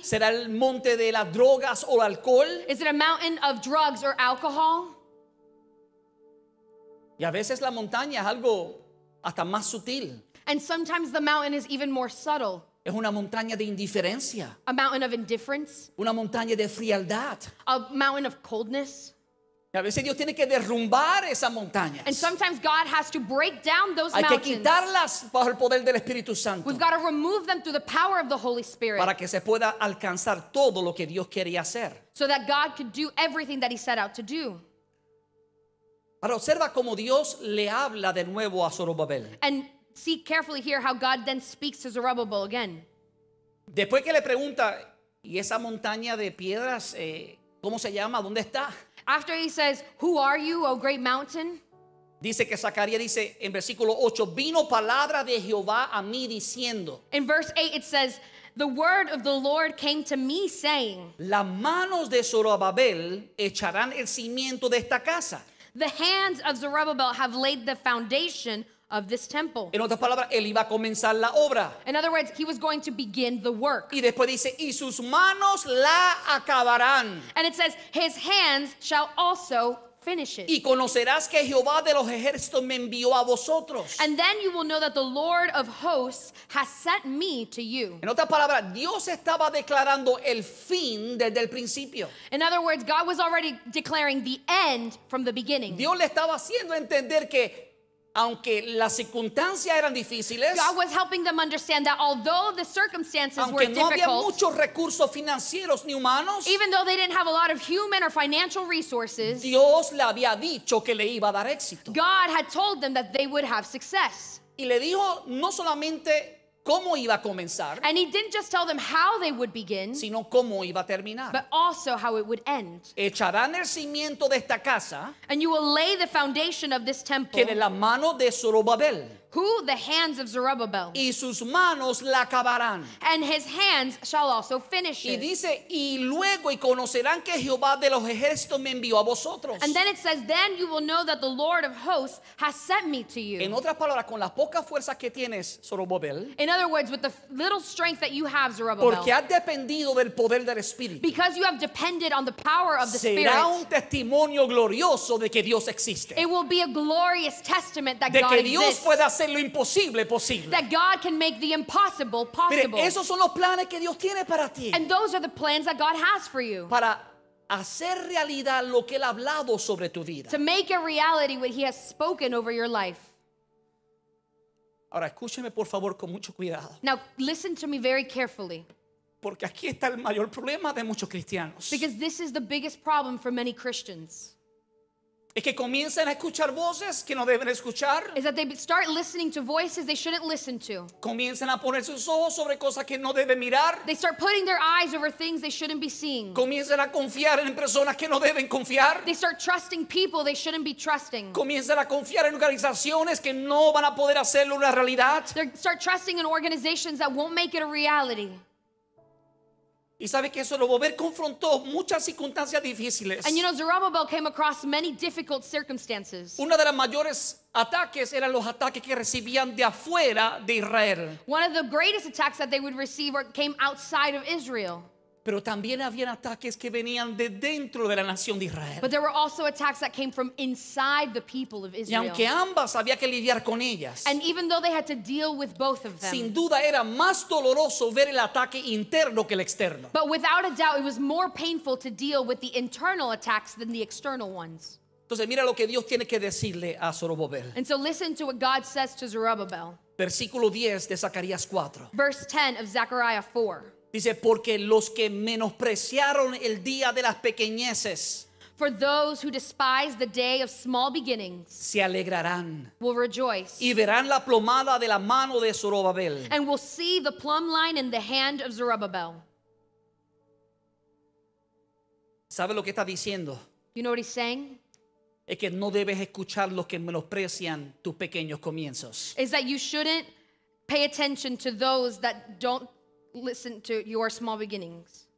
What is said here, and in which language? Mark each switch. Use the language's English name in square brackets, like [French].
[Spanish] ¿Será el monte de las drogas o el alcohol? [English] Is it a mountain of drugs or alcohol? [Spanish] Y a veces la montaña es algo hasta más sutil. [English] And sometimes the mountain is even more subtle. [Spanish] Es una montaña de indiferencia. [English] A mountain of indifference. [Spanish] Una montaña de frialdad. [English] A mountain of coldness. [Spanish] A veces Dios tiene que derrumbar esas montañas. [English] And sometimes God has to break down those mountains. [Spanish] Hay que quitarlas bajo el poder del Espíritu Santo. [English] We've got to remove them through the power of the Holy Spirit. [Spanish] Para que se pueda alcanzar todo lo que Dios quería hacer. [English] So that God could do everything that he set out to do. [Spanish] Ahora observa cómo Dios le habla de nuevo a Zorobabel. [English] And see carefully here how God then speaks to Zerubbabel again. [Spanish] Después que le pregunta, ¿y esa montaña de piedras, cómo se llama, dónde está? [English] After he says, who are you, O great mountain? [Spanish] Dice que Zacarías dice en versículo 8, vino palabra de Jehová a mí diciendo. [English] In verse 8 it says, the word of the Lord came to me saying. [Spanish] Las manos de Zorobabel echarán el cimiento de esta casa. [English] The hands of Zerubbabel have laid the foundation of this temple. [Spanish] En otras palabras, él iba a comenzar la obra. [English] In other words, he was going to begin the work. [Spanish] Y después dice, y sus manos la acabarán. [English] And it says, his hands shall also finishes. [Spanish] Y conocerás que Jehová de los ejércitos me envió a vosotros. [English] And then you will know that the Lord of hosts has sent me to you. [Spanish] En otras palabras, Dios estaba declarando el fin desde el principio. [English] In other words, God was already declaring the end from the beginning. [Spanish] Dios le estaba haciendo entender que aunque las circunstancias eran difíciles, [English] God was helping them understand that although the circumstances were difficult, [Spanish] aunque no había muchos recursos financieros ni humanos, [English] even though they didn't have a lot of human or financial resources, [Spanish] Dios le había dicho que le iba a dar éxito. [English] God had told them that they would have success. [Spanish] Y le dijo no solamente cómo iba a comenzar, [English] and he didn't just tell them how they would begin, [Spanish] sino cómo iba a terminar, [English] but also how it would end. [Spanish] Echarán el cimiento de esta casa, [English] and you will lay the foundation of this temple, [Spanish] que de la mano de Zorobabel, [English] who the hands of Zerubbabel, [Spanish] y sus manos la acabarán, [English] and his hands shall also finish it. [Spanish] Y dice, y luego y conocerán que Jehová de los ejércitos me envió a vosotros. [English] And then it says, then you will know that the Lord of hosts has sent me to you. [Spanish] En otras palabras, con las pocas fuerzas que tienes, Zerubbabel, [English] in other words, with the little strength that you have, Zerubbabel, [Spanish] porque has dependido del poder del Espíritu, [English] because you have depended on the power of the [Spanish] será [English] Spirit, [Spanish] será un testimonio glorioso de que Dios existe. [English] It will be a glorious testament that [Spanish] de [English] God [Spanish] que Dios [English] exists. [Spanish] Pueda hacer lo imposible posible. [English] That God can make the impossible possible. [Spanish] Mire, esos son los planes que Dios tiene para ti. [English] And those are the plans that God has for you. [Spanish] Para hacer realidad lo que él ha hablado sobre tu vida. [English] To make a reality what he has spoken over your life. [Spanish] Ahora escúcheme por favor con mucho cuidado. [English] Now listen to me very carefully. [Spanish] Porque aquí está el mayor problema de muchos cristianos. [English] Because this is the biggest problem for many Christians. [Spanish] Es que comienzan a escuchar voces que no deben escuchar. [English] Is that they start listening to voices they shouldn't listen to. [Spanish] Comienzan a poner sus ojos sobre cosas que no deben mirar. [English] They start putting their eyes over things they shouldn't be seeing. [Spanish] Comienzan a confiar en personas que no deben confiar. [English] They start trusting people they shouldn't be trusting. [Spanish] Comienzan a confiar en organizaciones que no van a poder hacerlo una realidad. [English] They start trusting in organizations that won't make it a reality. [Spanish] Y sabe que eso lo volver confrontó muchas circunstancias difíciles. [English] And you know, Zerubbabel came across many difficult circumstances. [Spanish] Una de las mayores ataques eran los ataques que recibían de afuera de Israel. [English] One of the greatest attacks that they would receive came outside of Israel. [Spanish] Pero también habían ataques que venían de dentro de la nación de Israel. [English] But there were also attacks that came from inside the people of Israel. [Spanish] Y aunque ambas había que lidiar con ellas. [English] And even though they had to deal with both of them. [Spanish] Sin duda era más doloroso ver el ataque interno que el externo. [English] But without a doubt, it was more painful to deal with the internal attacks than the external ones. [Spanish] Entonces mira lo que Dios tiene que decirle a Zerubbabel. [English] And so listen to what God says to Zerubbabel. [Spanish] Versículo 10 de Zacarías 4. [English] Verse 10 of Zechariah 4. [Spanish] Dice, porque los que menospreciaron el día de las pequeñeces, [English] for those who despise the day of small beginnings, [Spanish] se alegrarán, [English] will rejoice, [Spanish] y verán la plomada de la mano de Zerubbabel, [English] and will see the plumb line in the hand of Zerubbabel. [Spanish] ¿Sabe lo que está diciendo? [English] You know what he's saying? [Spanish] Es que no debes escuchar los que menosprecian tus pequeños comienzos. [English] Is that you shouldn't pay attention to those that don't listen to your small beginnings.